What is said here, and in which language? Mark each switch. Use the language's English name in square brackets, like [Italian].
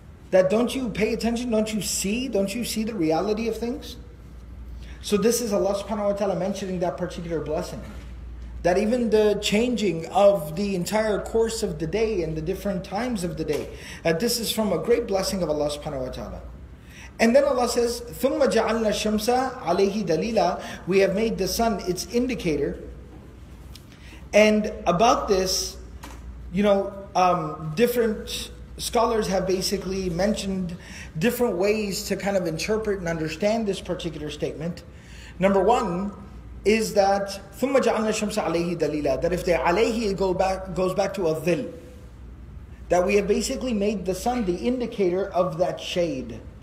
[English] That, don't you pay attention? Don't you see? Don't you see the reality of things? So this is Allah subhanahu wa ta'ala mentioning that particular blessing. That even the changing of the entire course of the day and the different times of the day, that this is from a great blessing of Allah subhanahu wa ta'ala. [Arabic] And then Allah says, ثُمَّ جَعَلْنَا الشَّمْسَ عَلَيْهِ دَلِيلًا. [English] We have made the sun its indicator. And about this, you know, different scholars have basically mentioned different ways to kind of interpret and understand this particular statement. Number one is that [Arabic] ثُمَّ جَعَلْنَا الشَّمْسَ عَلَيْهِ دَلِيلًا, [English] that if the عَلَيْهِ goes back to a ذِل, that we have basically made the sun the indicator of that shade.